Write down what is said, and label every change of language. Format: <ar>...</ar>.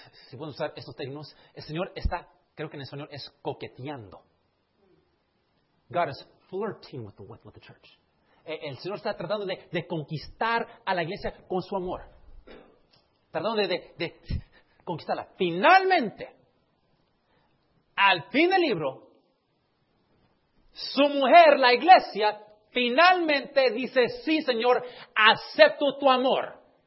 <es>Si puedo usar estos términos, el Señor está, creo que en español es coqueteando.</es> <en>God is flirting with the church.</en> <es>El Señor está tratando de conquistar a la iglesia con su amor. Tratando de conquistarla. Finalmente, al fin del libro, su mujer, la iglesia, finalmente dice, sí, Señor, acepto tu amor.</es>